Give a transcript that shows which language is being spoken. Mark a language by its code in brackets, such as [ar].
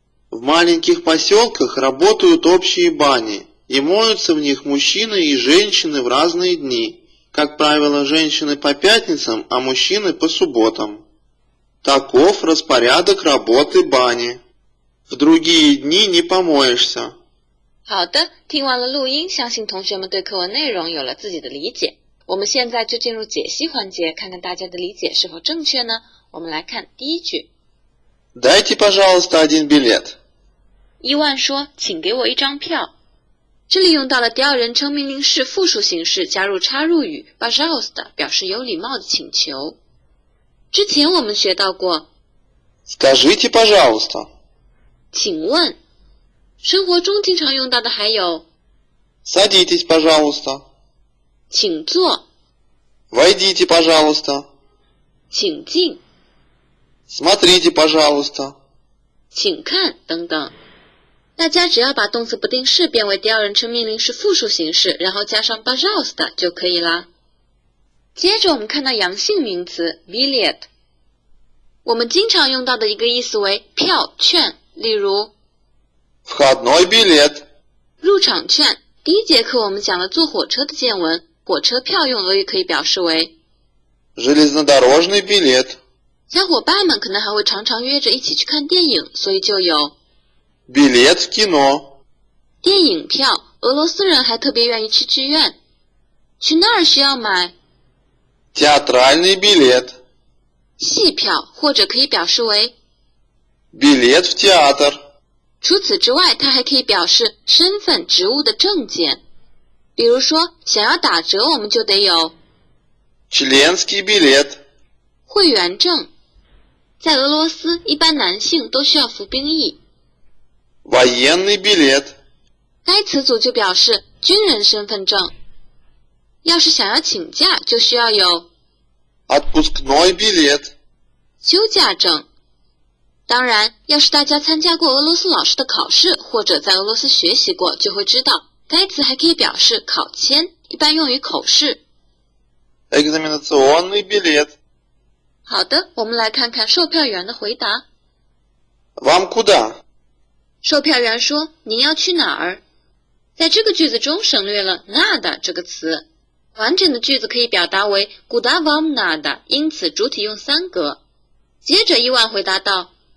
[ru] В маленьких поселках работают общие бани, и моются в них мужчины и женщины в разные дни. Как правило, женщины по пятницам, а мужчины по субботам. Таков распорядок работы бани. В другие дни не помоешься. [zh] 好的，听完了录音，相信同学们对课文内容有了自己的理解。我们现在就进入解析环节，看看大家的理解是否正确呢？我们来看第一句。 [ru] Дайте, пожалуйста, один билет. [zh] 伊万说，请给我一张票。这里用到了第二人称命令式复数形式加入插入语 пожалуйста, 表示有礼貌的请求。之前我们学到过 [ru] Скажите, пожалуйста. [zh] 请问。生活中经常用到的还有 [ru] Садитесь, пожалуйста. [zh] 请坐 [ru] Войдите, пожалуйста. [zh] 请进 [ru] Смотрите, пожалуйста. [zh] 请看等等。大家只要把动词不定式变为第二人称命令式复数形式，然后加上 пожалуйста 就可以啦。接着我们看到阳性名词 билет。我们经常用到的一个意思为票券，例如 [ru] входной билет, [zh] 入场券。第一节课我们讲了坐火车的见闻，火车票用俄语可以表示为 [ru] железнодорожный билет, [zh] 小伙伴们可能还会常常约着一起去看电影，所以就有 [ru] билет в кино, [zh] 电影票。俄罗斯人还特别愿意去剧院，去那儿需要买 [ru] театральный билет, [zh] 戏票，或者可以表示为 [ru] билет в театр。 [zh] 除此之外，它还可以表示身份、职务的证件。比如说，想要打折，我们就得有 [ru] членский билет, [zh] 会员证。在俄罗斯，一般男性都需要服兵役。 [ru] военный билет, [zh] 该词组就表示军人身份证。要是想要请假，就需要有 [ru] отпускной билет, [zh] 休假证。当然，要是大家参加过俄罗斯老师的考试，或者在俄罗斯学习过，就会知道，该词还可以表示考签，一般用于口试。 [ru] экзаменационный билет. [zh] 好的，我们来看看售票员的回答。 [ru] Вам куда? [zh] 售票员说，您要去哪儿？在这个句子中省略了 надо 这个词。完整的句子可以表达为 [ru] Куда вам надо? [zh] 因此主体用三格。接着伊万回答道